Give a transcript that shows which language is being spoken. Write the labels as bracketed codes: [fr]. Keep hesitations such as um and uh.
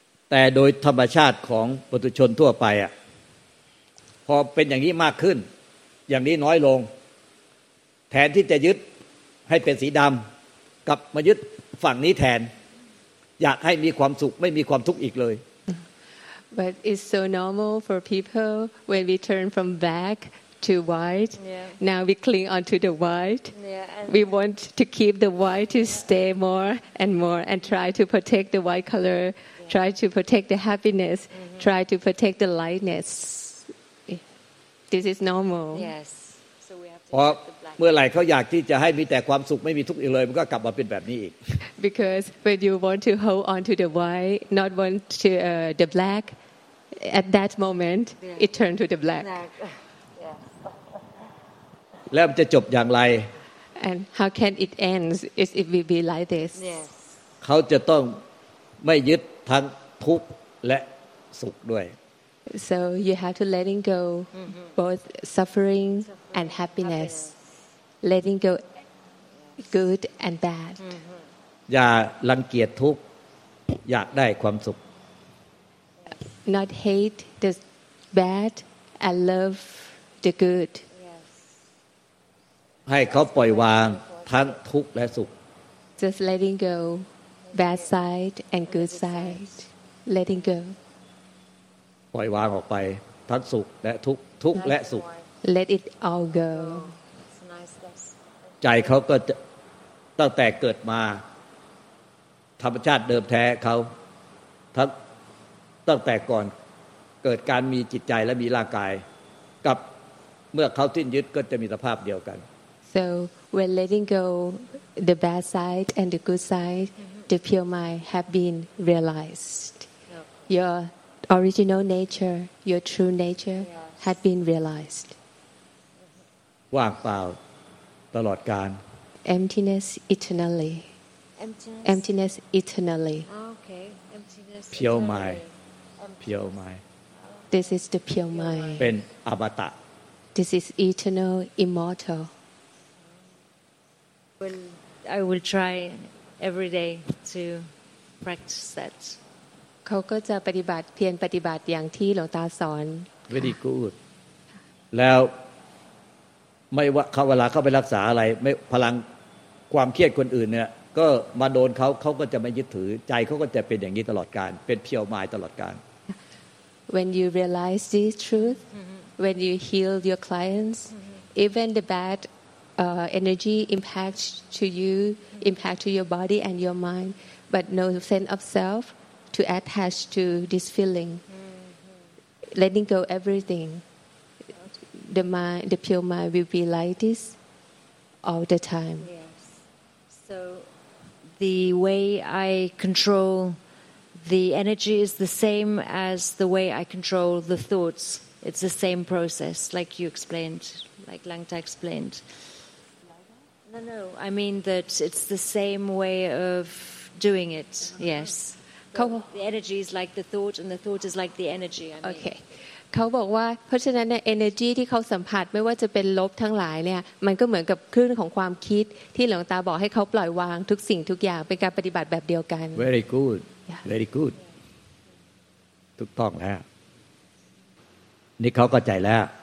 [th] แต่โดยธรรมชาติของปุถุชนทั่วไปอ่ะพอเป็นอย่างนี้มากขึ้น อย่างนี้น้อยลง แทนที่จะยึดให้เป็นสีดำกลับมายึดฝั่งนี้แทน อยากให้มีความสุขไม่มีความทุกข์อีกเลย [en] But it's so normal for people when we turn from black to white. Yeah. Now we cling onto the white. Yeah, and We want to keep the white to stay more and more and try to protect the white color, try to protect the happiness, try to protect the lightness. This is normal. yes. So we have to [th] พอ [en] keep the black. [th] เมื่อไหร่เขาอยากที่จะให้มีแต่ความสุขไม่มีทุกข์อีกเลย มันก็กลับมาเป็นแบบนี้อีก [en] Because when you want to hold on to the white, not want to uh, the black, at that moment Yeah. it turned to the black. Black. Yes. [th] แล้วมันจะจบอย่างไร [en] And how can it end if it will be like this? Yes. [th] เขาจะต้องไม่ยึดทั้งทุกข์และสุขด้วย [en] So you have to letting go both suffering and happiness, letting go good and bad. [th] อย่ารังเกียจทุกข์อยากได้ความสุข [en] Not hate the bad and love the good. [th] ให้เขาปล่อยวางทั้งทุกข์และสุข [en] Just letting go bad side and good side. Letting go. [th] ปล่อยวางออกไป ทั้งสุขและทุกข์ทุกข์และสุข [en] Let it all go. It's nice. That's [th] ใจเขาก็จะตั้งแต่เกิดมา ธรรมชาติเดิมแท้เขาทั้งตั้งแต่ก่อนเกิดการมีจิตใจและมีร่างกาย กับเมื่อเขาสิ้นยึดก็จะมีสภาพเดียวกัน [en] So when letting go the bad side and the good side, the pure mind have been realized. Yep. Your original nature, your true nature Yes. had been realized. [th] ว่างเปล่าตลอดการ [en] Emptiness eternally. emptiness. Emptiness eternally. Ah, okay. Emptiness. Pure eternally. mind. Em- เพียวไม้ This is the pure mind. [th] เป็นอมตะ [en] This is eternal, immortal. Will, I will try every day to practice that. [th] เขาก็จะปฏิบัติเพียรปฏิบัติอย่างที่หลวงตาสอน วิธีกูดแล้วไม่ว่าเขาเวลาเขาไปรักษาอะไร ไม่พลังความเครียดคนอื่นเนี่ย ก็มาโดนเขาเขาก็จะไม่ยึดถือ ใจเขาก็จะเป็นอย่างนี้ตลอดการ เป็นเพียวไม้ตลอดการ [en] when you realize this truth, when you heal your clients, even the bad uh, energy impacts to you, impact to your body and your mind, but no sense of self to attach to this feeling. Letting go everything, the mind, the pure mind will be like this all the time. Yes. So the way I control the energy is the same as the way I control the thoughts. It's the same process, like you explained, like Langta explained. No, no, I mean that it's the same way of doing it. Yes. Cool. The energy is like the thought, and the thought is like the energy. I mean. [th] โอเคเขาบอกว่าเพราะฉะนั้นเนี่ย energy ที่เขาสัมผัสไม่ว่าจะเป็นลบทั้งหลายเนี่ยมันก็เหมือนกับคลื่นของความคิดที่หลวงตาบอกให้เขาปล่อยวางทุกสิ่งทุกอย่างเป็นการปฏิบัติแบบเดียวกัน [en] very good Yeah. very good [th] ถูกต้องแล้ว นี่เขาก็ใจแล้ว